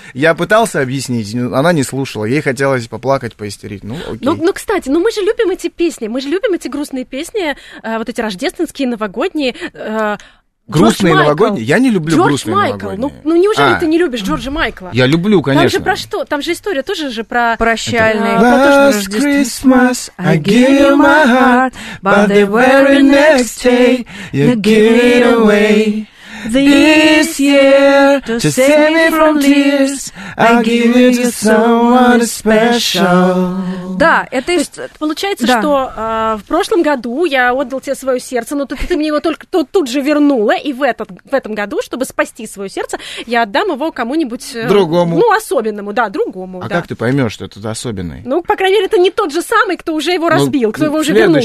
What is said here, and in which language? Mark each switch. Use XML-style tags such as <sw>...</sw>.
<ru>Я пытался объяснить, она не слушала. Ей хотелось поплакать, поистерить. Ну, окей. Ну, кстати, мы же любим эти песни. Мы же любим эти грустные песни. Вот эти рождественские, новогодние. Грустные новогодние? Я не люблю грустные новогодние. Джордж Майкл. Ну, неужели ты не любишь Джорджа Майкла? Я люблю, конечно. Там же про что? Там же история тоже же про... Прощальные.</ru> <en>Last Christmas, I gave you my heart, but the very next day, you gave it away. This year, to save me from tears, I give you to someone special.</en> <ru>Да, это то есть, получается, да. Что в прошлом году я отдал тебе свое сердце, но ты мне его только тут же вернула, и в этом году, чтобы спасти свое сердце, я отдам его кому-нибудь... Другому. Ну, особенному, да, другому. А да. Как ты поймешь, что это особенный? Ну, по крайней мере, это не тот же самый, кто уже его разбил, кто его уже вернул.</ru>